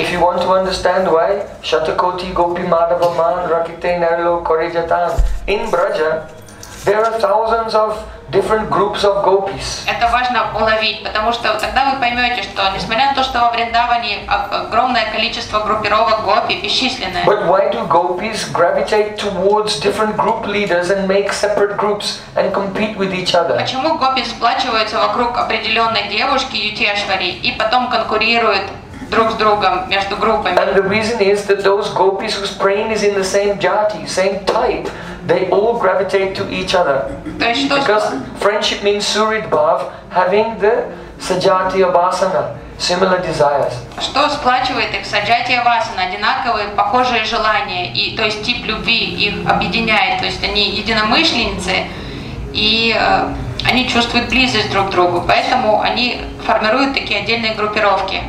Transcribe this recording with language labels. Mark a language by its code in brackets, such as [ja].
[en] If you want to understand why Шатакоти Гопи Мадхава Ман Раките Нарло Коридятан in Braja, there are thousands of different groups of gopis. [ru] Это важно уловить, потому что тогда вы поймете, что несмотря на то, что во Вриндаване огромное количество группировок гопи, бесчисленное. [en] But why do gopis gravitate towards different group leaders and make separate groups and compete with each other? [ru] Почему гопи сплачиваются вокруг определенной девушки Ютешвари и потом конкурируют друг с другом между группами? [en] And the reason is that those gopis whose brain is in the same jati, same type, they all gravitate to each other. Because friendship means Surit Bhav, having the Sajatiya Vasana, similar desires. [ru] Что сплачивает их? Саджатия Васана, одинаковые, похожие желания, и то есть тип любви их объединяет, то есть они единомышленницы, и они чувствуют близость друг к другу, поэтому они формируют такие отдельные группировки.